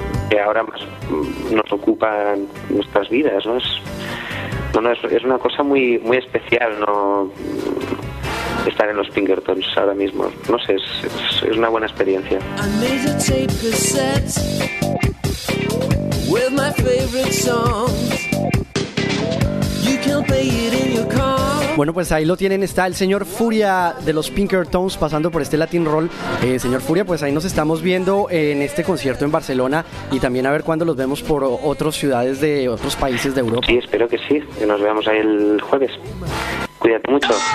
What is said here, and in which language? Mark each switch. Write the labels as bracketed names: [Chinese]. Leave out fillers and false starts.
[Spanish] Que ahora más nos ocupa nuestras vidas, ¿no? Es una cosa muy, muy especial, ¿no? Estar en los Pinkertons ahora mismo, no sé, es una buena experiencia. [English] I made a tape cassette with my favorite songs. You can play it in your car. [Spanish] Bueno, pues ahí lo tienen, está el señor Furia de los Pinkertons pasando por este Latin Roll. Señor Furia, pues ahí nos estamos viendo en este concierto en Barcelona, y también a ver cuándo los vemos por otras ciudades de otros países de Europa. Sí, espero que sí, que nos veamos ahí el jueves. Cuídate mucho.